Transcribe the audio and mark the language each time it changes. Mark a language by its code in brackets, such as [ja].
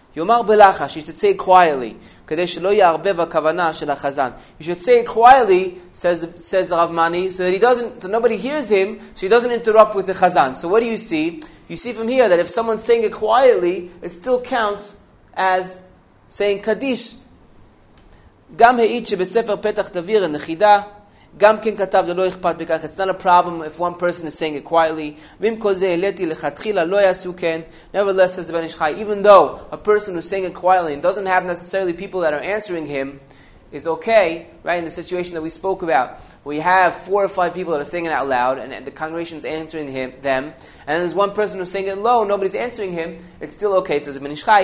[he] יאמר בלחש, [en] he should say quietly, [he] כדי שלא יערבב הכוונה של החזן. [en] He should say quietly, says Rav Mani, so nobody hears him, so he doesn't interrupt with the chazan. So what do you see? You see from here that if someone's saying it quietly, it still counts as saying Kaddish. [he] גם העיד שבספר פתח תביר הנחידה, גם כן כתב, זה לא אכפת בכך. [en] It's not a problem if one person is saying it quietly. [he] ועם כל זה, אליתי לכתחילה, לא יעשו כן. [en] Nevertheless, says the Ben Ish Chai, even though a person who's saying it quietly and doesn't have necessarily people that are answering him, is okay, right, in the situation that we spoke about. We have four or five people that are saying it out loud, and the congregation's answering them, and there's one person who's saying it low, nobody's answering him, it's still okay, says the Ben Ish Chai.